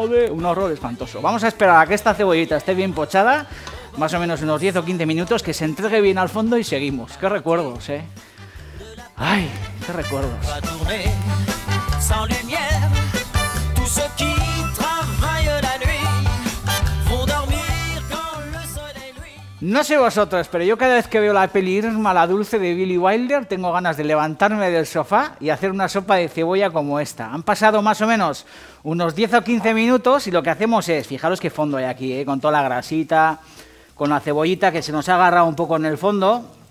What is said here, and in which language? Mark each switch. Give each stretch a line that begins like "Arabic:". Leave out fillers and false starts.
Spanish: Un horror espantoso. Vamos a esperar a que esta cebollita esté bien pochada, más o menos unos 10 o 15 minutos, que se entregue bien al fondo y seguimos. Qué recuerdos, ¿eh? Ay, qué recuerdos.
French: Va tourner sans lumière. Tous ceux qui travaillent la nuit vont dormir quand le soleil luit.
Spanish: No sé vosotros, pero yo cada vez que veo la peli Irma la Dulce de Billy Wilder tengo ganas de levantarme del sofá y hacer una sopa de cebolla como esta. Han pasado más o menos unos 10 o 15 minutos y lo que hacemos es, fijaros qué fondo hay aquí, con toda la grasita, con la cebollita que se nos ha agarrado un poco en el fondo.